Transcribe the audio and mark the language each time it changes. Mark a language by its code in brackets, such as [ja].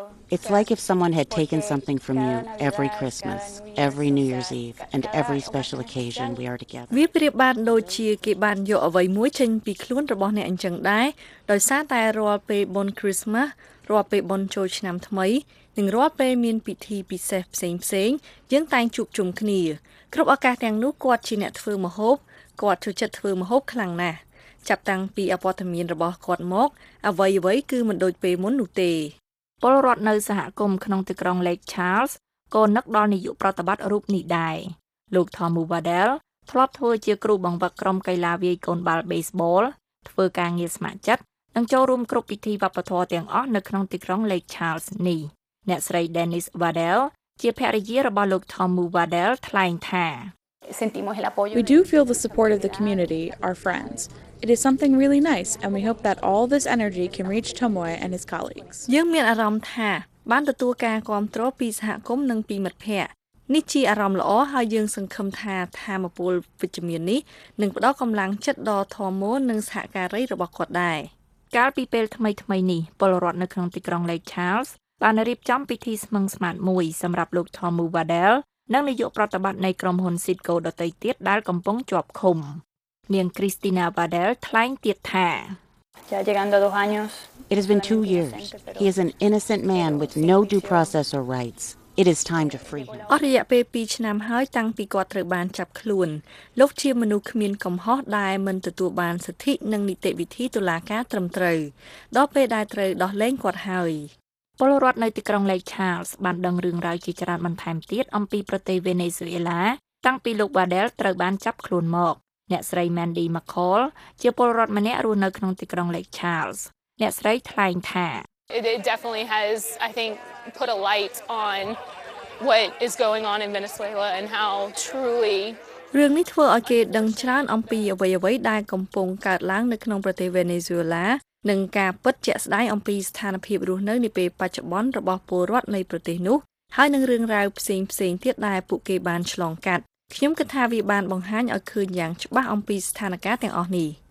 [en] It's like if someone had taken something from you every Christmas, every New Year's Eve and every special occasion we are together. [km] វាប្រៀបបានដូចជាគេបានយកអ្វីមួយចេញពីខ្លួនរបស់អ្នកអញ្ចឹងដែរដោយសារតែរាល់ពេលបុណ្យ Christmas, រាល់ពេលបុណ្យចូលឆ្នាំថ្មីនឹងរាល់ពេលមានពិធីពិសេសផ្សេងៗយើងតែងជួបជុំគ្នាគ្រប់ឱកាសទាំងនោះគាត់ជាអ្នកធ្វើម្ហូបគាត់ចូលចិត្តធ្វើម្ហូបខ្លាំងណាស់ចាប់តាំងពីអវត្តមានរបស់គាត់មកអ្វីៗគឺមិនដូចពេលមុននោះទេ ពលរដ្ឋនៅសហគមន៍ក្នុងទីក្រុង Lake Charles ក៏នឹកដល់នយោបាយប្រតិបត្តិរូបនេះដែរលោក Tom Wardell ធ្លាប់ធ្វើជាគ្រូបង្វឹកក្រុមកីឡាវាយកូនបាល់ Baseball ធ្វើការងារស្ម័គ្រចិត្តនិងចូលរួមគ្រប់ពិធីវប្បធម៌ទាំងអស់នៅក្នុងទីក្រុង Lake Charles នេះអ្នកស្រី Dennis Wardell ជាភរិយារបស់លោក Tom Wardell ថ្លែងថា [es] Sentimos el apoyo. [en] We do feel the support of the community, our friends. It is something really nice and we hope that all this energy can reach Tomoe and his colleagues. [km] យើងមានអារម្មណ៍ថាបានទទួលការគាំទ្រពីសហគមន៍និងពីមិត្តភ័ក្តិនេះជាអារម្មណ៍ល្អហើយយើងសង្ឃឹមថាធម៌ពលវិជ្ជមាននេះនឹងផ្ដល់កម្លាំងចិត្តដល់ Tomoe និងសហការីរបស់គាត់ដែរ កាលពីពេលថ្មីៗនេះពលរដ្ឋនៅក្នុងទីក្រុង Lake Charlesបានរៀបចំពិធីស្មឹងស្មាតមួយសម្រាប់លោក Tom Wardell និងនាយកប្រតិបត្តិនៃក្រុមហ៊ុន Citgo ដតីទៀតដែលកំពុងជាប់ឃុំនាង Christina Wardell ថ្លែងទៀតថា [es] Ya llegando dos años [en] It has been 2 years. He is an innocent man with no due process or rights. It is time to free him. [km] អស់រយៈពេល2ឆ្នាំហើយតាំងពីគាត់ត្រូវបានចាប់ខ្លួនលោកជាមនុស្សគ្មានកំហុសដែលមិនទទួលបានសិទ្ធិនិងនីតិវិធីតុលាការត្រឹមត្រូវដល់ពេលដែលត្រូវដោះលែងគាត់ហើយពលរដ្ឋនៅទីក្រុង Lake Charles បានដឹងរឿងរ៉ាវជាច្រើនបន្ថែមទៀតអំពីប្រទេស Venezuela តាំងពីលោក Badel ត្រូវបានចាប់ខ្លួនមកអ្នកស្រី Mandy McCall ជាពលរដ្ឋម្នាក់រស់នៅក្នុងទីក្រុង Lake Charles អ្នកស្រីថ្លែងថា [en] It definitely has, I think, put a light on what is going on in Venezuela and how truly [km] រឿងនេះធ្វើឲ្យគេដឹងច្បាស់អំពីអ្វីៗដែលកំពុងកើតឡើងនៅក្នុងប្រទេស Venezuela និងការពិតជាក់ស្ដែងអំពីស្ថានភាពរស់នៅនាពេលបច្ចុប្បន្នរបស់ពលរដ្ឋនៃប្រទេសនោះហើយនឹងរឿងរ៉ាវផ្សេងៗទៀតដែលពួកគេបានឆ្លងកាត់ខ្ញុំគិតថាវាបានបង្ហាញឲ្យឃើញយ៉ាងច្បាស់អំពីស្ថានភាពទាំងអស់នេះ